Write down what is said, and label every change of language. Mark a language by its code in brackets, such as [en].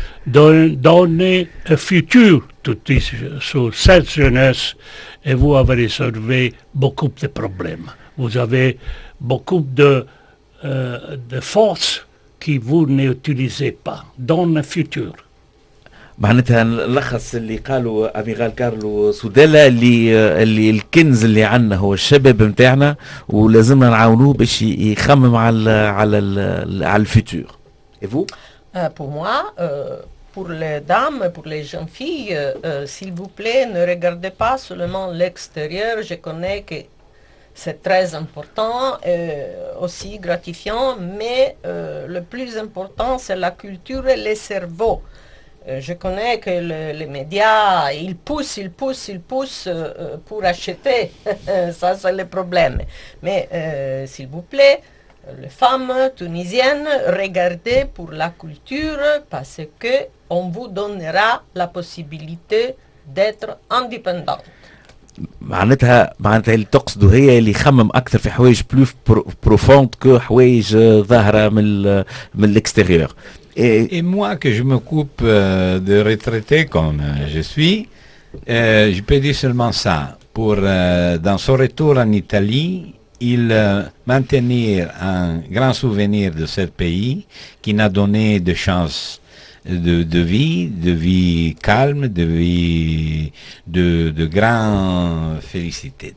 [fr] Donnez un futur sur cette jeunesse et vous avez résolvé beaucoup de problèmes. Vous avez beaucoup de forces que vous n'utilisez pas. Donnez un futur. [ar] معناتها نلخص اللي قالوا أميغال كارلو سوديلا اللي الكنز اللي عندنا هو الشباب نتاعنا ولازمنا نعاونوه باش يخمم على الفيتور. [fr] Et vous? Pour moi, pour les dames, pour les jeunes filles, s'il vous plaît, ne regardez pas seulement l'extérieur. Je connais que c'est très important, aussi gratifiant, mais le plus important, c'est la culture et les cerveaux. Je connais que les médias, ils poussent pour acheter. Ça, c'est le problème. Mais s'il vous plaît, les femmes tunisiennes, regardez pour la culture, parce que on vous donnera la possibilité d'être indépendante. [ar] معناتها اللي تقصده هي اللي يخمم اكثر في حوايج [fr] بلو بروفوند كو [ar] حوايج ظاهره من الاكستيريور. [fr] Et moi, que je m'occupe de retraité comme je suis, je peux dire seulement ça. Pour, dans son retour en Italie, il maintenir un grand souvenir de ce pays qui n'a donné de chance de vie calme, de vie de grande félicité.